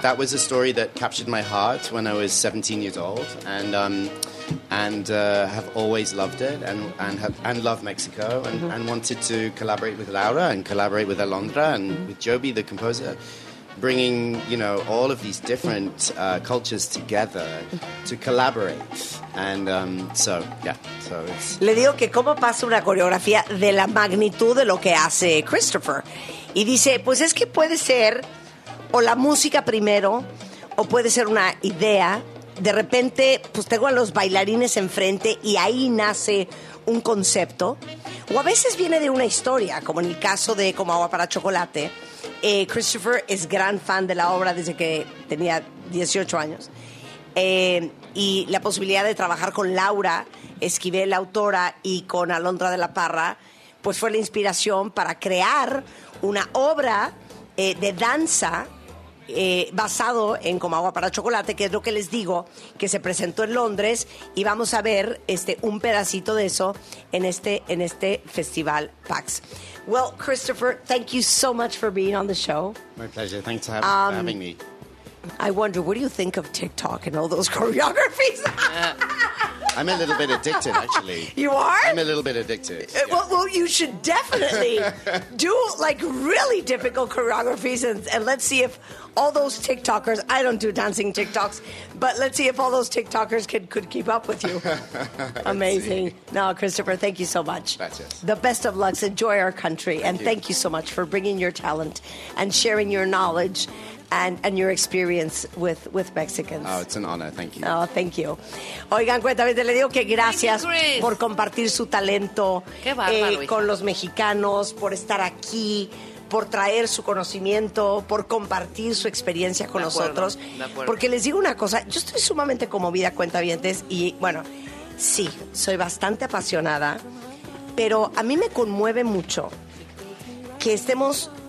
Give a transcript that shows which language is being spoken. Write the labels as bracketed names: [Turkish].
[English] That was a story that captured my heart when I was 17 years old, and have always loved it, and love Mexico, and, mm-hmm. and wanted to collaborate with Laura and collaborate with Alondra and mm-hmm. with Joby, the composer, bringing, you know, all of these different cultures together to collaborate. And so, yeah, so it's... [Spanish] Le digo que cómo pasa una coreografía de la magnitud de lo que hace Christopher. Y dice, pues es que puede ser o la música primero... O puede ser una idea, de repente, pues tengo a los bailarines enfrente y ahí nace un concepto. O a veces viene de una historia, como en el caso de Como Agua para Chocolate. Christopher es gran fan de la obra desde que tenía 18 años. Y la posibilidad de trabajar con Laura Esquivel, la autora, y con Alondra de la Parra, pues fue la inspiración para crear una obra de danza... basado en Como Agua para Chocolate, que es lo que les digo, que se presentó en Londres, y vamos a ver un pedacito de eso en este festival PAX. [English] Well, Christopher, thank you so much for being on the show. My pleasure. Thanks for having me. I wonder, what do you think of TikTok and all those choreographies? I'm a little bit addicted, actually. You are? I'm a little bit addicted. Yeah. Well, you should definitely do, like, really difficult choreographies, and let's see if all those TikTokers, I don't do dancing TikToks, but let's see if all those TikTokers could keep up with you. Amazing. No, Christopher, thank you so much. [Spanish] Gracias. [English] The best of luck. Enjoy our country. Thank you so much for bringing your talent and sharing your knowledge and your experience with Mexicans. Oh, it's an honor. Thank you. Oh, thank you. [Spanish] Oigan, cuéntame, te le digo que gracias por compartir su talento con los mexicanos, por estar aquí, por traer su conocimiento, por compartir su experiencia con nosotros. Porque les digo una cosa, yo estoy sumamente conmovida, cuentavientes, y bueno, sí, soy bastante apasionada, pero a mí me conmueve mucho que estemos...